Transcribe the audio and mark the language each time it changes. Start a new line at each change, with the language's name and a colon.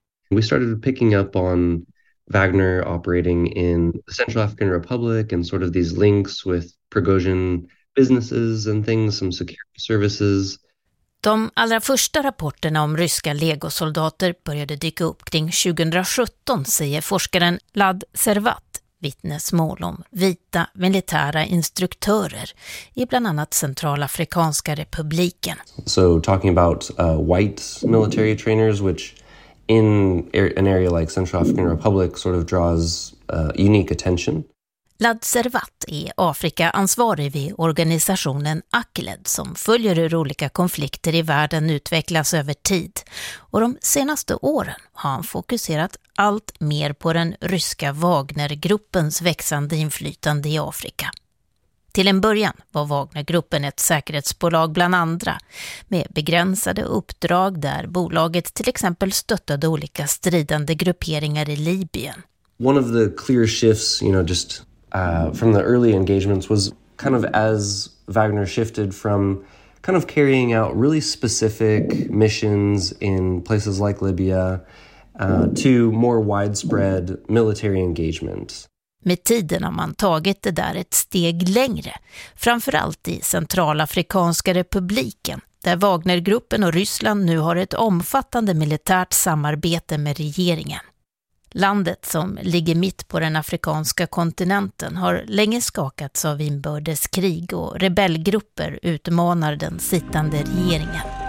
English: We started picking up on Wagner operating in the Central African Republic and sort of these links with Prigozhin businesses and things, some security services.
Swedish: De allra första rapporterna om ryska legosoldater började dyka upp kring 2017, säger forskaren Ladd Servat, vittnesmål om vita militära instruktörer i bland annat Centralafrikanska republiken.
English: So talking about white military trainers, which in an area like Central African Republic sort of draws unique attention.
Swedish: Ladd Servat är Afrika-ansvarig vid organisationen ACLED som följer hur olika konflikter i världen utvecklas över tid. Och de senaste åren har han fokuserat allt mer på den ryska Wagner-gruppens växande inflytande i Afrika. Till en början var Wagner-gruppen ett säkerhetsbolag bland andra med begränsade uppdrag där bolaget till exempel stöttade olika stridande grupperingar i Libyen.
English: One of the clear shifts, you know, just from the early engagements was kind of as Wagner shifted from kind of carrying out really specific missions in places like Libya to more widespread military engagement.
Swedish: Med tiden har man tagit det där ett steg längre, framförallt i Centralafrikanska republiken, där Wagnergruppen och Ryssland nu har ett omfattande militärt samarbete med regeringen. Landet som ligger mitt på den afrikanska kontinenten har länge skakats av inbördeskrig och rebellgrupper utmanar den sittande regeringen.